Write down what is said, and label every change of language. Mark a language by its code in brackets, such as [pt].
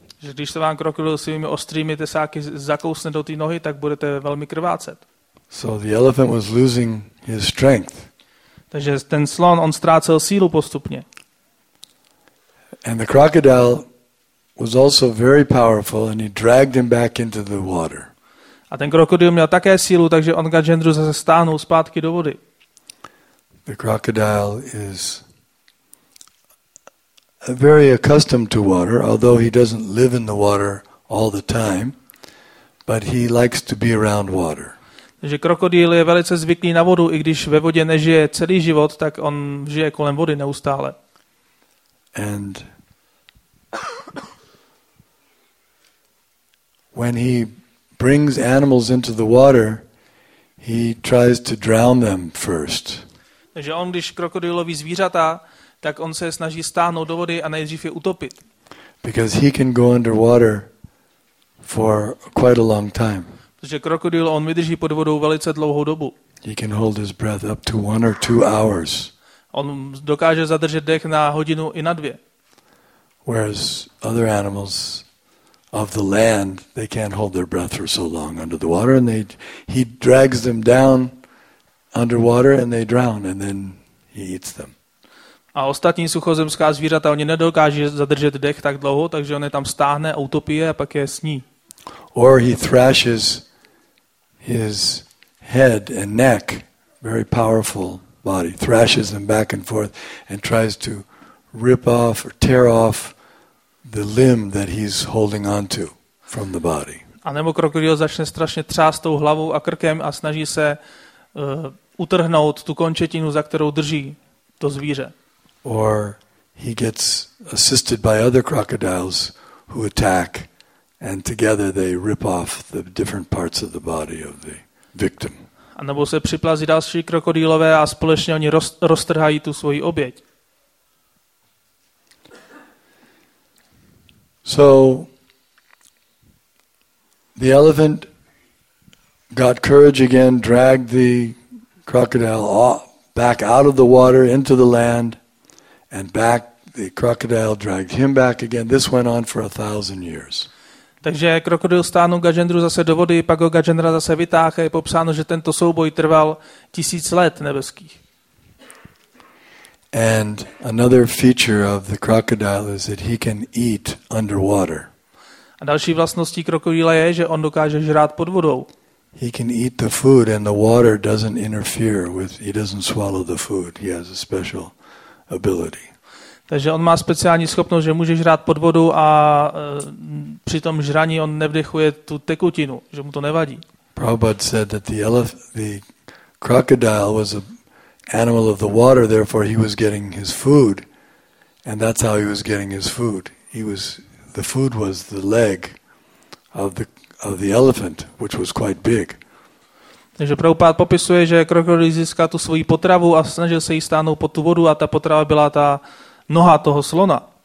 [cs] Že když se vám krokodýl svými ostrými tesáky zakousne do té nohy, tak budete velmi krvácet. [en] So the elephant was losing his strength. [cs] Takže ten slon, on ztrácel sílu postupně. [en] And the crocodile was also very powerful and he dragged him back into the water. [cs] A ten krokodýl měl také sílu, takže on Gajendru zase stáhnul zpátky do vody. [en] The crocodile is very accustomed to water, although he doesn't live in the water all the time, but he likes to be around water. [cs] Takže krokodýl je velice zvyklý na vodu, i když ve vodě nežije celý život, tak on žije kolem vody neustále. [en] And when he brings animals into the water, he tries to drown them first. [cs] Takže on, když krokodýloví zvířata, tak on se snaží stáhnout do vody a nejdřív je utopit. [en] Because he can go underwater for quite a long time. [cs] Protože krokodýl, on vydrží pod vodou velice dlouhou dobu. [en] He can hold his breath up to 1 or 2 hours. [cs] On dokáže zadržet dech na hodinu i na dvě. [en] Whereas other animals of the land, they can't hold their breath for so long under the water, and he drags them down underwater and they drown and then he eats them. [cs] A ostatní suchozemská zvířata, oni nedokáží zadržet dech tak dlouho, takže on je tam stáhne, utopí je a pak je sní. [en] Or he thrashes his head and neck, very powerful body, thrashes them back and forth and tries to rip off or tear off the limb that he's holding on to from the body. [cs] A nebo krokodýl začne strašně třást tou hlavou a krkem a snaží se utrhnout tu končetinu, za kterou drží to zvíře. [en] Or he gets assisted by other crocodiles who attack and together they rip off the different parts of the body of the victim. [cs] A nebo se připlazí další krokodýlové a společně oni roztrhají tu svoji oběť. [en] So The elephant got courage again, dragged the crocodile back out of the water into the land, and back the crocodile dragged him back again. This went on for 1,000 years. [cs] Takže krokodil stáhnul Gajendru zase do vody, pak ho Gajendra zase vytáhl a je popsáno, že tento souboj trval 1,000 let nebeských. [en] And another feature of the crocodile is that he can eat underwater. [cs] A další vlastností krokodýla je, že on dokáže žrát pod vodou. [en] He can eat the food and the water doesn't interfere with, he doesn't swallow the food. He has a special ability. [cs] Takže on má speciální schopnost, že může žrát pod vodu a při tom žraní on nevdechuje tu tekutinu, že mu to nevadí. [en] Prabhupada said that the crocodile was a animal of the water, therefore he was getting his food, and that's how he was getting his food. The food was the leg of the elephant, which was quite big. [cs] Takže Prabhupád popisuje, že krokodýl získal tu svoji potravu a snažil se jí stáhnout pod tu vodu a ta potrava byla ta noha toho slona.